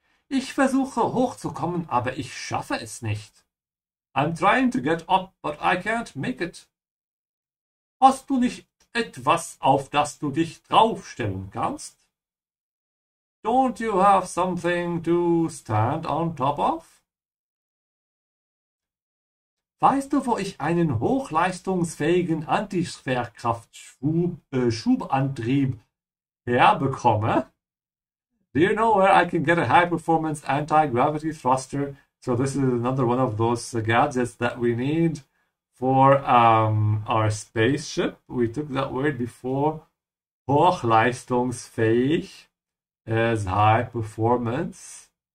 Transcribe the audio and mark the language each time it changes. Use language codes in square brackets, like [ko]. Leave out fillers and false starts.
[de] Ich versuche hochzukommen, aber ich schaffe es nicht. [en] I'm trying to get up, but I can't make it. [de] Hast du nicht etwas, auf das du dich draufstellen kannst? [en] Don't you have something to stand on top of? [de] Weißt du, wo ich einen hochleistungsfähigen Antischwerkraftschubantrieb herbekomme? [en] Do you know where I can get a high-performance anti-gravity thruster? So this is another one of those gadgets that we need for our spaceship. We took that word before. Hochleistungsfähig is high-performance.